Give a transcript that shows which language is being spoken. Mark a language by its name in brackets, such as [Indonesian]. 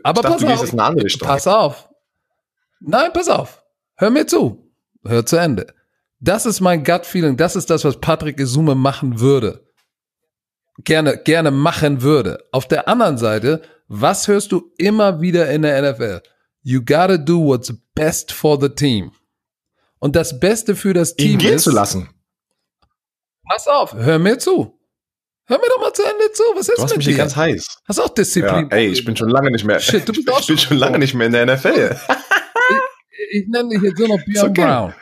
[German] Aber pass auf. Nein, pass auf. Hör mir zu. Hör zu Ende. Das ist mein Gut-Feeling. Das ist das, was Patrick Gesumme machen würde. Gerne machen würde. Auf der anderen Seite, was hörst du immer wieder in der NFL? [English] You gotta do what's best for the team. [German] Und das Beste für das Team ist, ihn gehen zu lassen. Pass auf, hör mir zu. Hör mir doch mal zu Ende zu. Was ist mit dir? Du hast mich ganz heiß. Hast auch Disziplin. Ja, ey, ich bin schon lange nicht mehr. Shit, du bist auch ich bin schon lange nicht mehr in der NFL. Ich nenne dich jetzt nur noch Björn Brown.